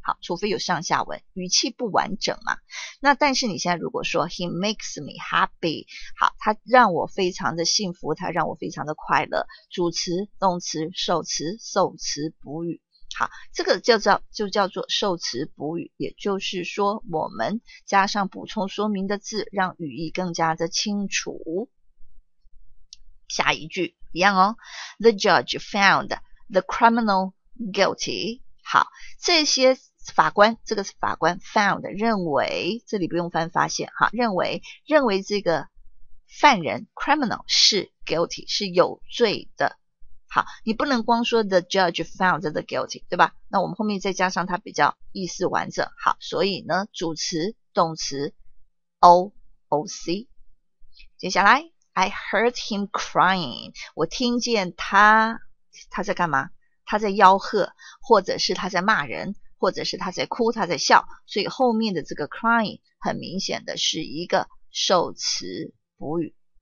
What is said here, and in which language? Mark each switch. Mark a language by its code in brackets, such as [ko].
[zh] 好，除非有上下文，语气不完整嘛。那但是你现在如果说 [en] He makes me happy， [zh] 好，他让我非常的幸福，他让我非常的快乐，主词动词受词受词补语，好，这个就叫做受词补语，也就是说我们加上补充说明的字，让语义更加的清楚。下一句一样哦， [en] The judge found the criminal guilty。 [zh] 好，这些法官，这个法官 found 认为，这里不用翻发现，好，认为这个犯人 criminal 是 guilty， 是有罪的。好，你不能光说 [en] the judge found the guilty， [zh] 对吧？那我们后面再加上它比较意思完整。好，所以呢主词动词 OOC。接下来 [en] I heard him crying， [zh] 我听见他在干嘛？他在吆喝，或者是他在骂人，或者是他在哭，他在笑，所以后面的这个 crying 很明显的是一个受词补语。